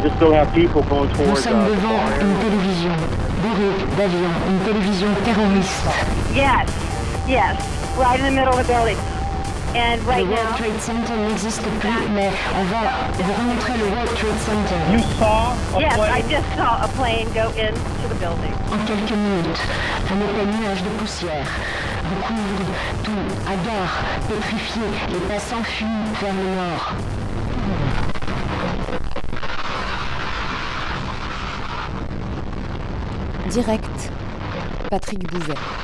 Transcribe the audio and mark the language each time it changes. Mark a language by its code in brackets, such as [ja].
[fr] Nous sommes devant une télévision bourrée d'avions, une télévision terroriste. [en] Yes, yes, right in the middle of the building. And right [fr] now, the World Trade Center n'existe plus, mais on va vous remontrer le World Trade Center. [en] You saw a plane? Yes, I just saw a plane go into the building. [fr] En quelques minutes, un épais nuage de poussière recouvre tout, hagard, pétrifié, les passants fuient vers le nord. Direct, Patrick Bouvet.